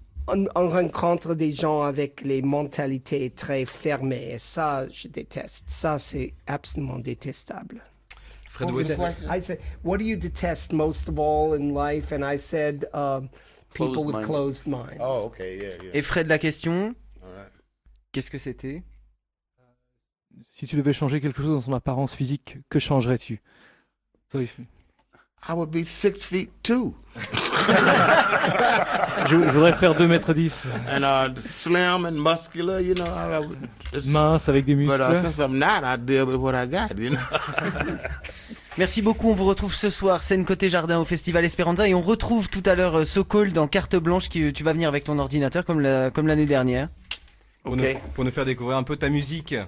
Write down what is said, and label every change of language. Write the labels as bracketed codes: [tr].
[fr] On rencontre des gens avec les mentalités très fermées. Et ça, je déteste. Ça, c'est absolument détestable. Fred Wilson. [en] I said, what do you detest most of all in life? And I said, people closed with mind. Closed minds. Oh, okay, yeah. [fr] Et Fred, la question, qu'est-ce que c'était? Si tu devais changer quelque chose dans son apparence physique, que changerais-tu? [en] Sorry. I would be 6'2". [fr] je voudrais faire 2m10. [en] And slim and muscular, you know. I would [fr] just, mince avec des muscles. [en] But since I'm not, I deal with what I got, you know. [fr] Merci beaucoup. On vous retrouve ce soir, scène côté jardin au Festival Esperanza, et on retrouve tout à l'heure So-Called dans carte blanche. Qui tu vas venir avec ton ordinateur comme l'année dernière. Okay. Pour nous faire découvrir un peu ta musique.